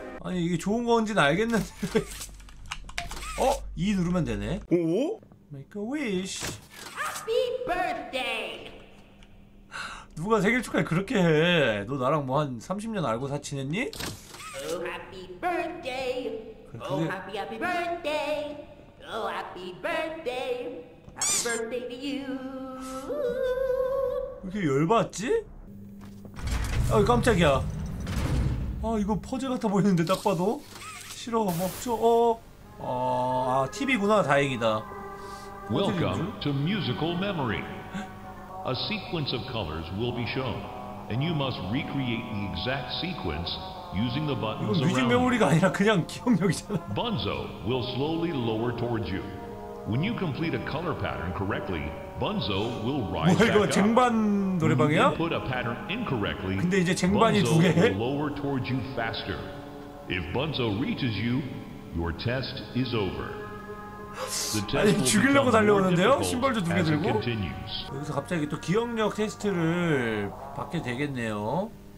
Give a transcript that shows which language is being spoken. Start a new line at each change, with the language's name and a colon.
Korean: 아니, 이게 좋은 건지는 알겠는데. 어? E 누르면 되네. 오?
English: Make a wish. Happy birthday.
Korean: 누가 생일 축하를 그렇게 해? 너 나랑 뭐 한 30년 알고 사 지냈니?
English: Oh happy birthday.
Korean: 그래, 그게...
English: Oh happy happy birthday. Oh happy birthday. Happy birthday to you.
Korean: 왜 이렇게 열받지? 아 깜짝이야. 아 이거 퍼즐 같아 보이는데 딱 봐도 싫어. 멈춰. 어. 어, 아, TV구나, 다행이다.
English: Welcome to Musical Memory. A sequence of colors will be shown, and you must recreate the exact sequence using the buttons around.
Korean: 뮤직 메모리가 아니라 그냥 기억력이잖아.
English: Bunzo will slowly lower towards you. When you complete a color pattern correctly, Bunzo will rise back up.
Korean: 이거 쟁반 노래방이야?
English: When you put a pattern incorrectly,
Korean: 근데 이제 쟁반이 두 개.
English: Bunzo will lower towards you faster. If Bunzo reaches you, your test is over.
Korean: 아니 죽이려고 달려오는데요? 심벌도 두 개 들고? 여기서 갑자기 또 기억력 테스트를 받게 되겠네요.